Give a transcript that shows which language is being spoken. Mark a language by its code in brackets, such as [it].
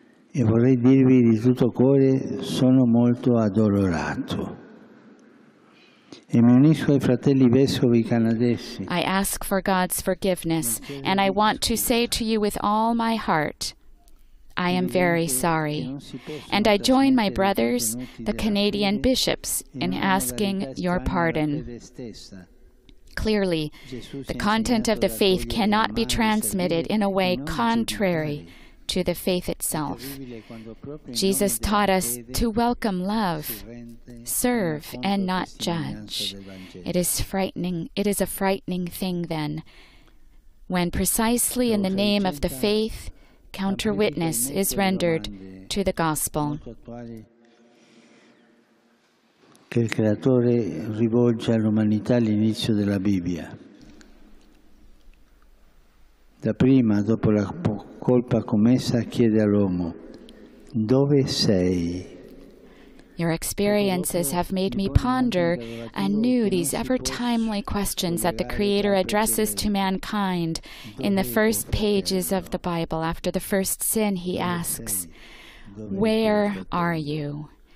[it] E vorrei dirvi di tutto cuore, sono molto addolorato. E mi unisco ai fratelli vescovi canadesi. [en] I ask for God's forgiveness, and I want to say to you with all my heart, I am very sorry. And I join my brothers, the Canadian bishops, in asking your pardon. Clearly, the content of the faith cannot be transmitted in a way contrary to the faith itself. Jesus taught us to welcome love, serve, and not judge. It is frightening. It is a frightening thing, then, when precisely in the name of the faith, counter-witness is rendered to the gospel. [it] Che il Creatore rivolge all'umanità all'inizio della Bibbia. Da prima, dopo la colpa commessa, chiede all'uomo, dove sei? [en] Your experiences have made me ponder anew these ever-timely questions that the Creator addresses to mankind in the first pages of the Bible. After the first sin, he asks, where are you?